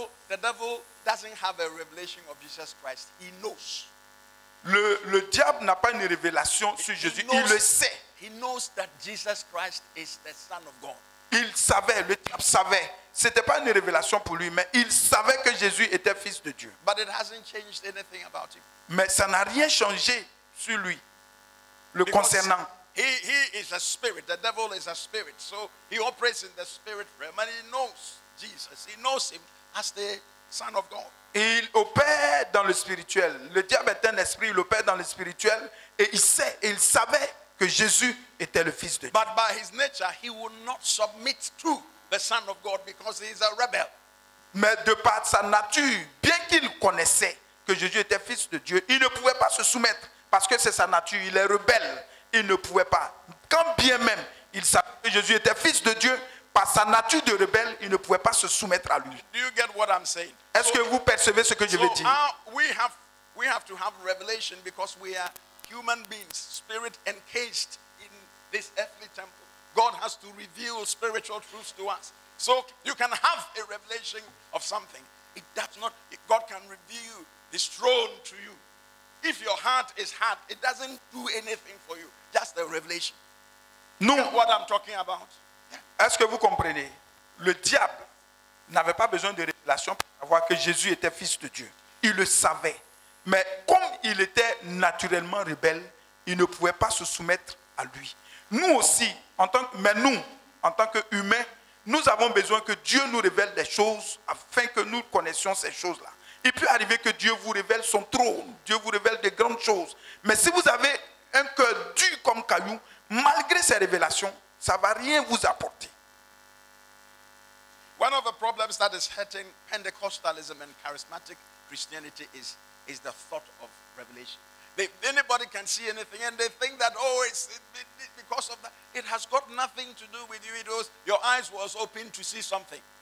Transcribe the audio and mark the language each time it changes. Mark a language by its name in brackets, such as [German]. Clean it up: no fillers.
[English] The devil doesn't have a revelation of Jesus Christ. He knows. [French] Le diable n'a pas une révélation sur Jésus. Il le sait. [English] He knows that Jesus Christ is the Son of God. [French] Il savait, le diable savait. Ce n'était pas une révélation pour lui, mais il savait que Jésus était fils de Dieu. [English] But it hasn't changed anything about him. [French] Mais ça n'a rien changé sur lui, le [English] Because [French] concernant. [English] He is a spirit. The devil is a spirit. So he operates in the spirit realm and he knows Jesus. He knows him as the Son of God. [French] Il opère dans le spirituel. Le diable est un esprit, il opère dans le spirituel et il sait, il savait que Jésus était le fils de Dieu. [English] But by his nature, he would not submit to the Son of God because he is a rebel. [French] Mais de par sa nature, bien qu'il connaissait que Jésus était fils de Dieu, il ne pouvait pas se soumettre parce que c'est sa nature, il est rebelle. Il ne pouvait pas. Quand bien même il savait que Jésus était fils de Dieu, par sa nature de rebelle, il ne pouvait pas se soumettre à lui. [English] Do you get what I'm saying? [French] Est-ce que vous percevez ce que je veux dire? [English] We have to have revelation because we are human beings, spirit encased in this earthly temple. God has to reveal spiritual truths to us. So you can have a revelation of something. It does not, God can reveal this throne to you. If your heart is hard, it doesn't do anything for you. Just the revelation. [French] Nous, [English] what I'm talking about. [French] Est-ce que vous comprenez? Le diable n'avait pas besoin de révélation pour savoir que Jésus était fils de Dieu. Il le savait. Mais comme il était naturellement rebelle, il ne pouvait pas se soumettre à lui. Nous aussi, en tant qu'humains, nous avons besoin que Dieu nous révèle des choses afin que nous connaissions ces choses-là. Il peut arriver que Dieu vous révèle son trône, Dieu vous révèle de grandes choses. Mais si vous avez un cœur dur comme caillou, malgré ces révélations, ça ne va rien vous apporter. [English] One of the problems that is hurting Pentecostalism and charismatic Christianity is the thought of revelation. Anybody can see anything and they think that, oh, it's because of that. It has got nothing to do with you. Your eyes was open to see something.